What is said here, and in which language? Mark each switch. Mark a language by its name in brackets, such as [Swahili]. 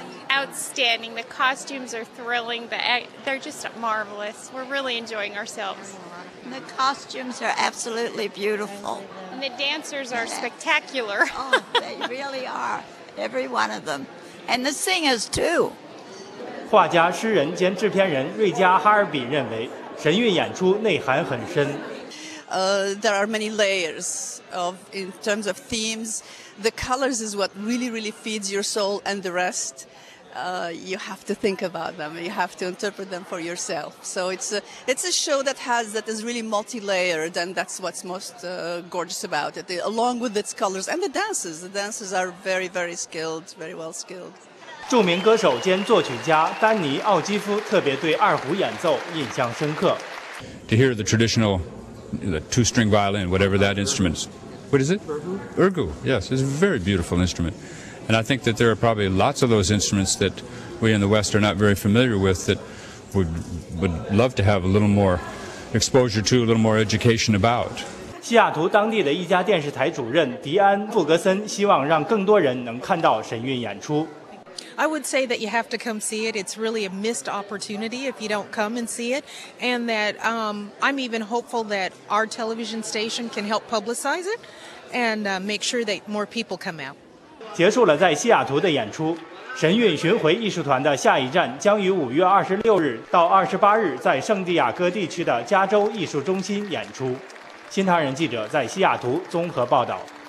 [English] Outstanding, the costumes are thrilling, they're just marvelous. We're really enjoying ourselves. The costumes are absolutely beautiful. And the dancers are spectacular. Oh, they really are, every one of them. And the singers too. [Chinese] 画家、诗人兼制片人瑞加·哈尔比认为，神韵演出内涵很深。 [English] There are many layers of in terms of themes. The colors is what really, really feeds your soul, and the rest, you have to think about them. You have to interpret them for yourself. So it's a show that is really multi-layered, and that's what's most gorgeous about it. Along with its colors and the dances are very, very skilled, very well skilled. [Chinese] 著名歌手兼作曲家丹尼·奥基夫特别对二胡演奏印象深刻。 [English] To hear the traditional, the two-string violin, whatever that instrument is. What is it? Urgu. Urgu, yes, it's a very beautiful instrument. And I think that there are probably lots of those instruments that we in the West are not very familiar with that would love to have a little more exposure to, a little more education about. [Chinese] 西雅图当地的一家电视台主任迪安·富格森希望让更多人能看到神韵演出。 [English] I would say that you have to come see it. It's really a missed opportunity if you don't come and see it. And that I'm even hopeful that our television station can help publicize it and make sure that more people come out. [Chinese] 结束了在西雅图的演出，神韵巡回艺术团的下一站将于5月26日到28日在圣地亚哥地区的加州艺术中心演出。新唐人记者在西雅图综合报道。